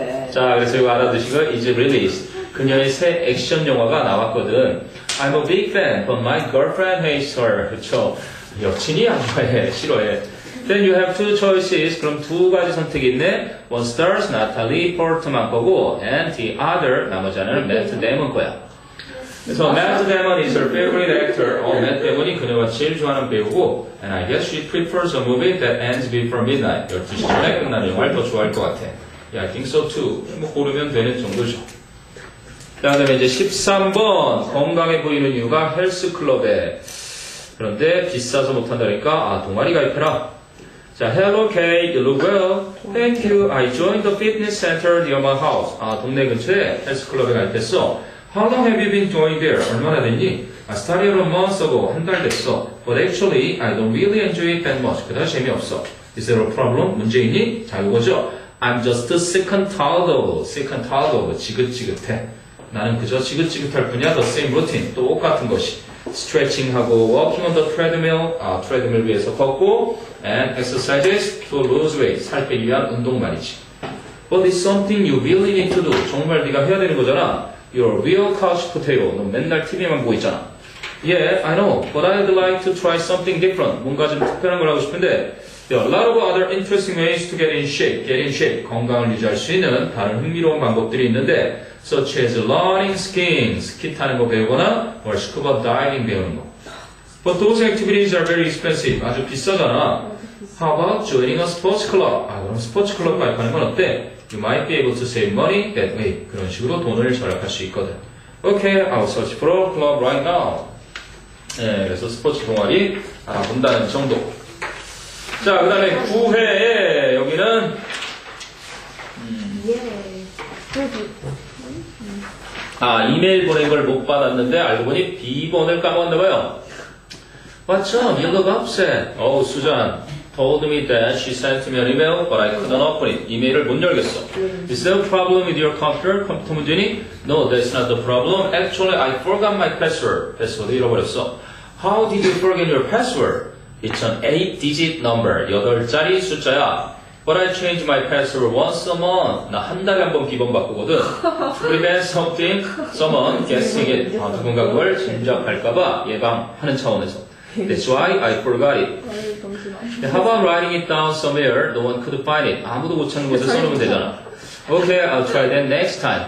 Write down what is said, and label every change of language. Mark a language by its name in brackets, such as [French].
[Korean] 자, 그래서 이거 알아두시고, [English] is released. [Korean] 그녀의 새 액션 영화가 나왔거든. [English] I'm a big fan, but my girlfriend hates her. [Korean] 그쵸? 여친이 안 좋아해, 싫어해. [English] Then you have two choices. [Korean] 그럼 두 가지 선택이 있네. [English] One stars Natalie Portman [Korean] 거고, [English] and the other, [Korean] 나머지 하나는 Matt Damon 거야. [English] So Matt Damon is her favorite actor. [Korean] Matt Damon이 그녀가 제일 좋아하는 배우고, [English] and I guess she prefers a movie that ends before midnight. [Korean] 12시 전에 끝나는 영화를 더 좋아할 것 같아. [English] Yeah, I think so too. [Korean] 뭐 고르면 되는 정도죠. 다음에 이제 13번. 건강해 보이는 이유가 헬스클럽에. 그런데 비싸서 못한다니까, 아, 동아리 가입해라. [English] 자, hello, Kay. You look well. Thank you. I joined the fitness center near my house. [Korean] 아, 동네 근처에 헬스클럽에 가입했어. [English] How long have you been doing there? [Korean] 얼마나 됐니? [English] I started a month ago. [Korean] 한 달 됐어. [English] But actually, I don't really enjoy it that much. [Korean] 그다지 재미없어. [English] Is there a problem? [Korean] 문제이니? 자, 이거죠. [English] I'm just sick and tired of, sick and tired of, [Korean] 지긋지긋해. 나는 그저 지긋지긋할 뿐이야. [English] The same routine, [Korean] 똑같은 것이. [English] Stretching 하고, walking on the treadmill, 아, treadmill [Korean] 위에서 걷고, [English] and exercises to lose weight, [Korean] 살 빼기 위한 운동 말이지. [English] But it's something you really need to do. [Korean] 정말 네가 해야 되는 거잖아. [English] You're a real couch potato. [Korean] 넌 맨날 TV만 보고 있잖아. [English] Yeah, I know. But I'd like to try something different. [Korean] 뭔가 좀 특별한 걸 하고 싶은데, [English] There are a lot of other interesting ways to get in shape. Get in shape. [Korean] 건강을 유지할 수 있는 다른 흥미로운 방법들이 있는데, [English] such as learning skiing. [Korean] 스키 타는 거 배우거나, [English] or scuba diving [Korean] 배우는 거. [English] But those activities are very expensive. [Korean] 아주 비싸잖아. [English] How about joining a sports club? [Korean] 아, 그럼 스포츠 클럽 가입하는 건 어때? [English] You might be able to save money that way. [Korean] 그런 식으로 돈을 절약할 수 있거든. [English] Okay, I'll search for a club right now. [Korean] 네, 그래서 스포츠 동아리 알아본다는 정도. 자, 그 다음에 9회에 여기는 아, 이메일 보낸 걸 못 받았는데 알고 보니 B번을 까먹었나 봐요. [English] What's up? You look upset. Oh, Suzanne told me that she sent me an email, but I couldn't open it. [Korean] 이메일을 못 열겠어. [English] Is there a problem with your computer? [Korean] 컴퓨터 문제니? [English] No, that's not the problem. Actually, I forgot my password. [Korean] 패스워드 잃어버렸어. [English] How did you forget your password? It's an 8-digit number, [Korean] 8자리 숫자야. [English] But I change my password once a month. [Korean] 나 한 달에 한 번 비번 바꾸거든. [English] Prevent something, someone guessing it. [Korean] 아, 누군가 그걸 짐작할까봐 예방하는 차원에서. [English] That's why I forgot it. How about writing it down somewhere? No one could find it. [Korean] 아무도 못 찾는 곳에 써놓으면 되잖아. [English] Okay, I'll try that next time.